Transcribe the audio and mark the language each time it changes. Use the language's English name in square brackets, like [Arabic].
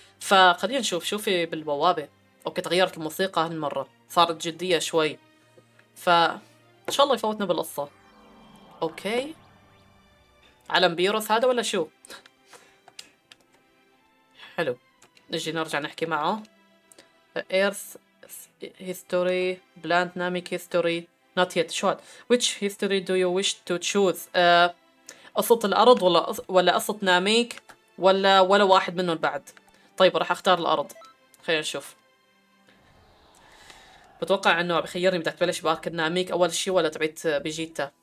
[Arabic] فخلينا نشوف شو في بالبوابة. أوكي تغيرت الموسيقى هالمرة، صارت جدية شوي، ف إن شاء الله يفوتنا بالقصة. أوكي علم بيروس هذا ولا شو؟ حلو، نجي نرجع نحكي معه. [English] Earth history, plant dynamic history, not yet. [Arabic] شو [English] which history do you wish to choose؟ [Arabic] قصة الأرض ولا قصة ناميك ولا واحد منهم بعد. طيب راح أختار الأرض، خلينا نشوف. بتوقع إنه بخيرني بدك تبلش بارك ناميك أول شيء ولا تبعت بيجيتا.